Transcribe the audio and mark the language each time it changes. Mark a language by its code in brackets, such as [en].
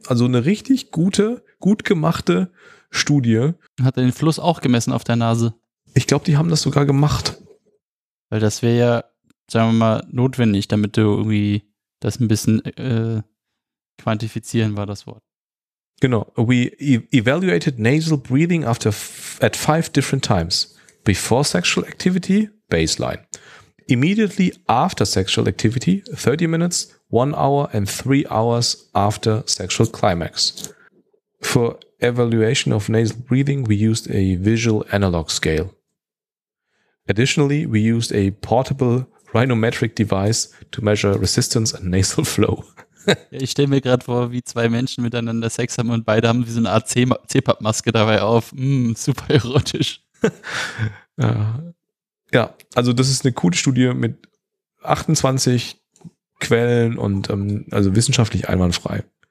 [de] Also eine richtig gute, gut gemachte Studie. Hat er den Fluss auch gemessen auf der Nase? Ich glaube, die haben das sogar gemacht. Weil das wäre ja, sagen wir mal, notwendig, damit du irgendwie das ein bisschen quantifizieren war das Wort. Genau. [en] We evaluated nasal breathing at five different times. Before sexual activity, baseline. Immediately after sexual activity, 30 minutes, 1 hour and 3 hours after sexual climax. For evaluation of nasal breathing, we used a visual analog scale. Additionally, we used a portable rhinometric device to measure resistance and nasal flow. [de] Ich stelle mir gerade vor, wie zwei Menschen miteinander Sex haben und beide haben wie so eine Art CPAP-Maske dabei auf. Super erotisch. Ja, also das ist eine coole Studie mit 28 Quellen und also wissenschaftlich einwandfrei.